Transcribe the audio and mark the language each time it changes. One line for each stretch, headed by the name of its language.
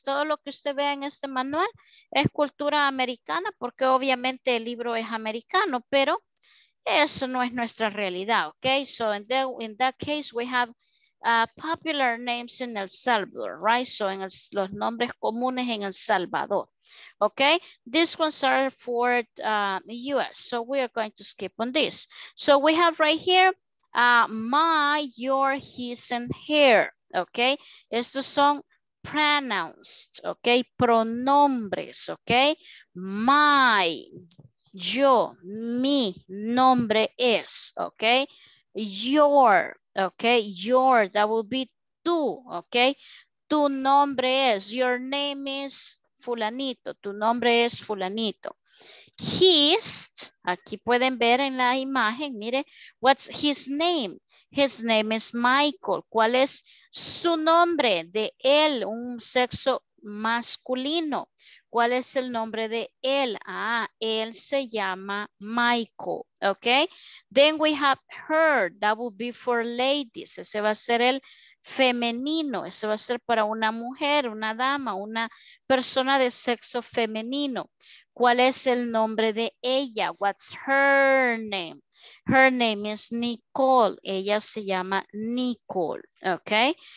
Spanish: Todo lo que usted ve en este manual es cultura americana, porque obviamente el libro es americano, pero eso no es nuestra realidad,
English: ¿ok? So in that case, we have popular names in El Salvador, right?
Spanish: So en los nombres comunes en El Salvador, ¿ok?
English: These ones are for US, so we are going to skip on this. So we have right here, my, your, his, and her, ¿ok?
Spanish: Estos son pronouns, ¿ok? Pronombres, ¿ok? My, yo, mi, nombre es, ¿ok?
English: Your, ¿ok? Your, that would be tú, ¿ok?
Spanish: Tu nombre es,
English: your name is fulanito,
Spanish: tu nombre es fulanito. His, aquí pueden ver en la imagen, mire,
English: what's his name? His name is Michael.
Spanish: ¿Cuál es su nombre? De él, un sexo masculino. ¿Cuál es el nombre de él? Ah, él se llama Michael, ¿ok?
English: Then we have her, that would be for ladies.
Spanish: Ese va a ser el femenino, ese va a ser para una mujer, una dama, una persona de sexo femenino. ¿Cuál es el nombre de ella?
English: What's her name? Her name is Nicole.
Spanish: Ella se llama Nicole, ¿ok?